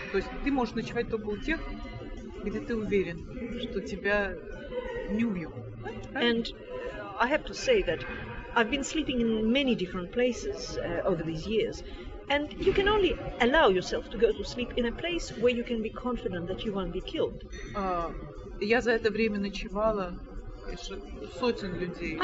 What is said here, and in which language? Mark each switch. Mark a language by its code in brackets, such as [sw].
[ru] То есть ты можешь ночевать только у тех, где ты уверен, что тебя не убьют. [en] And I have to say that I've been sleeping in many different places over these years. And you can only allow yourself to go to sleep in a place where you can be confident that you won't be killed. [ru] Я за это время ночевала сотен людей.